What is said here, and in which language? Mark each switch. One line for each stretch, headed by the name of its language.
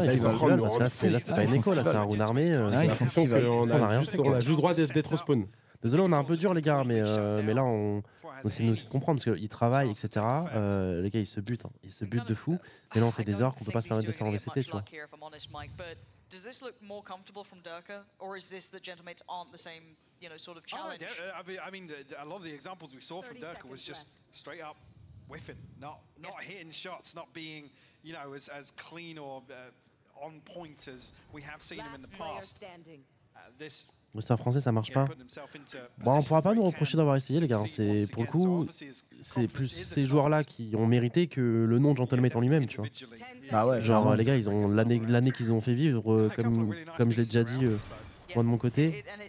French: C'est pas une écho, là, c'est un round armé. J'ai l'impression qu'on a juste le droit d'être au spawn. Désolé, on est un peu dur, les gars, mais là, on. C'est nous aussi de comprendre parce qu'ils travaillent, etc. Les gars, ils se butent. Hein. Ils se butent de fou. Mais là, on fait des erreurs qu'on ne peut pas se permettre de faire en VCT, tu vois.
English: Does this look more comfortable from Durka, or is this the gentlemates aren't the same, you know, sort of challenge? A lot of the examples we saw from Durka was just straight up whiffing, not hitting shots, not being, you know, as clean or on point as we have seen him in the past.
French: C'est un français, ça marche pas. Bon, on pourra pas nous reprocher d'avoir essayé, les gars. C'est pour le coup, c'est plus ces joueurs-là qui ont mérité que le nom de Gentlemate en lui-même, tu vois. Ah ouais, genre, les gars, ils ont l'année qu'ils ont fait vivre, comme je l'ai déjà dit, moi de mon côté.